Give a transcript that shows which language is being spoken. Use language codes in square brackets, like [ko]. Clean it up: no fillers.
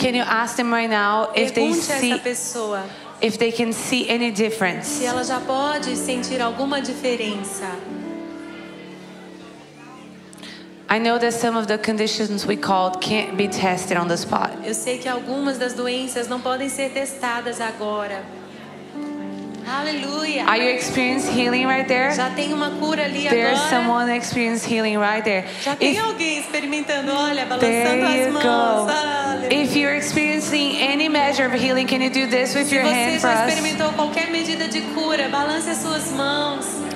[en] can you ask them right now if they see, [pt] pessoa, [en] if they can see any difference? [pt] Se ela já pode sentir alguma diferença. [en] I know that some of the conditions we called can't be tested on the spot. [pt] Eu sei que algumas das doenças não podem ser testadas agora. [en] Hallelujah. Are you experiencing healing right there? [pt] Já tem uma cura ali [en] there [pt] agora. [en] Is someone experiencing healing right there. [pt] Já tem alguém experimentando, olha, balançando as mãos. [en] Go. If you're experiencing any measure of healing, can you do this with [pt] se [en] your hand for us? [pt] Você já experimentou qualquer medida de cura, balance as suas mãos.